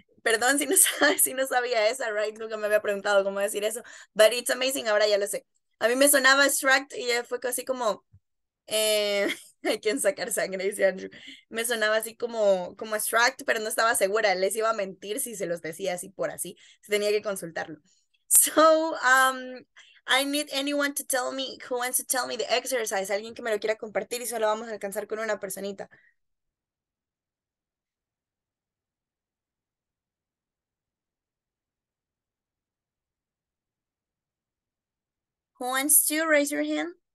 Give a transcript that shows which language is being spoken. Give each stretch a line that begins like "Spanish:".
Spanish: Perdón si no sabía esa,
English: right?
Spanish: Nunca me había preguntado cómo decir eso.
English: But it's amazing,
Spanish: ahora ya lo sé. A mí me sonaba extract y ya fue casi como hay quien sacar sangre, dice Andrew. Me sonaba así como extract, pero no estaba segura. Les iba a mentir si se los decía así por así. Tenía que consultarlo.
English: So, I need anyone to tell me who wants to tell me the exercise.
Spanish: Alguien que me lo quiera compartir y solo vamos a alcanzar con una personita.
English: Who wants to raise your hand?